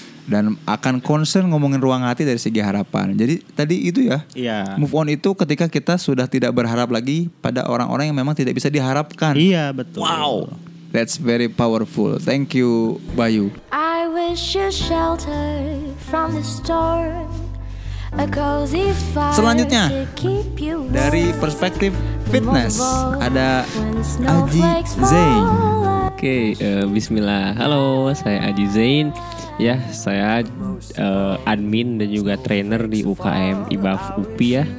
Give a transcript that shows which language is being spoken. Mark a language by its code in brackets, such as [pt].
[id] Dan akan concern ngomongin ruang hati dari segi harapan. Jadi tadi itu ya, move on itu ketika kita sudah tidak berharap lagi pada orang-orang yang memang tidak bisa diharapkan. Iya betul. [en] Wow, that's very powerful. Thank you, Bayu. I wish you shelter from the storm, a cozy fire. [id] Selanjutnya dari perspektif fitness ada Aji Zain. Oke, bismillah. Halo, saya Aji Zain. Ya, saya admin dan juga trainer di UKM IBAF UPI ya.